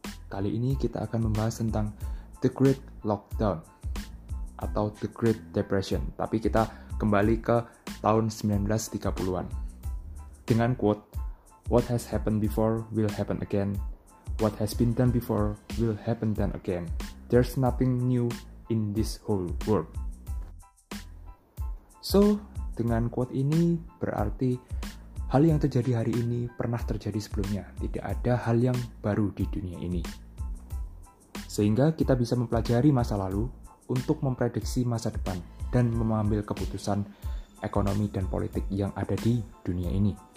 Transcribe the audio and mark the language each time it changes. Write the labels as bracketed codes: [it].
[id] Kali ini kita akan membahas tentang The Great Lockdown atau The Great Depression, tapi kita kembali ke tahun 1930-an. [en] Dengan quote, "What has happened before will happen again. What has been done before will happen done again. There's nothing new in this whole world." So, [id] dengan quote ini berarti hal yang terjadi hari ini pernah terjadi sebelumnya, tidak ada hal yang baru di dunia ini. Sehingga kita bisa mempelajari masa lalu untuk memprediksi masa depan dan mengambil keputusan ekonomi dan politik yang ada di dunia ini.